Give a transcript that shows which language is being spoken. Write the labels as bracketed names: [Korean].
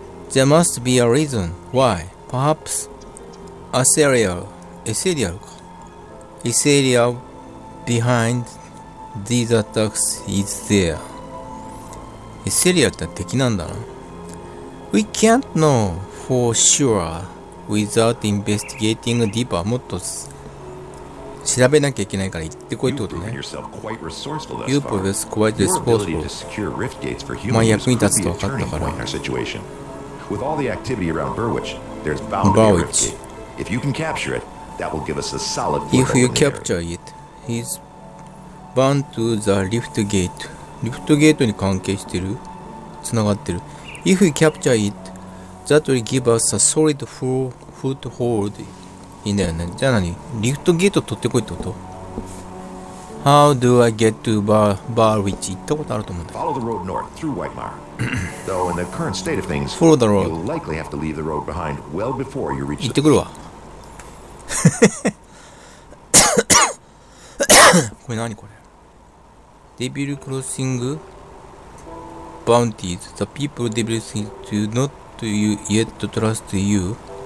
[English] There must be a reason why. Perhaps Aetherial behind these attacks is there. [Japanese] Aetherial って敵なんだな。 [English] We can't know for sure without investigating deeper. [Japanese] もっと調べなきゃいけないから行ってこいってことね。 [English] You prove quite resourceful. secure rift gates for humans is crucial to our situation. With all the activity around Burwich, there's bound to be a rift gate. If you can capture it, that will give us a solid foothold. If you capture it, he's bound to the rift gate. [Japanese] Rift gateに関係してる？繋がってる。 [English] If you capture it, that will give us a solid foothold. [Japanese] いいんだよね。じゃあ何？リフトゲート取ってこいってこと？ [English] How do I get to Barwich? [Japanese] 行ったことあると思うんだ。 [English] Follow the road north through Whitemire. Though in the current state of things, you'll likely have to leave the road behind well before you reach. [Japanese] 行ってくるわ。これ何これ？ [English] Devil Crossing Bounties. The people Devil Crossing do not yet trust you.